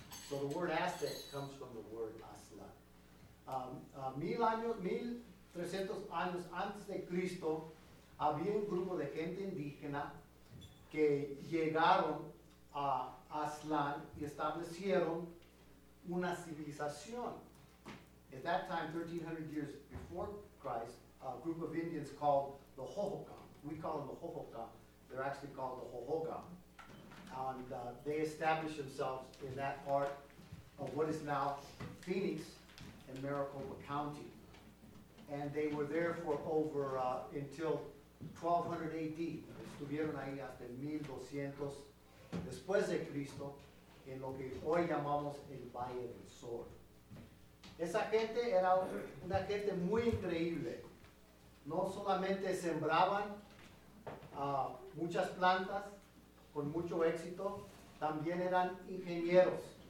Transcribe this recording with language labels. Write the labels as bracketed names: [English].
[English] So the word Aztec comes from the word Aztlán. [Spanish] 1300 años antes de Cristo, había un grupo de gente indígena que llegaron a Aztlán y establecieron una civilización. [English] At that time, 1300 years before Christ, a group of Indians called the Hohokam. We call them the Hohokam. They're actually called the Hohokam. And they established themselves in that part of what is now Phoenix and Maricopa County. And they were there for over until 1200 AD. [Spanish] Estuvieron ahí hasta 1200 después de Cristo en lo que hoy llamamos el Valle del Sol. Esa gente era una gente muy increíble. No solamente sembraban muchas plantas con mucho éxito, también eran ingenieros.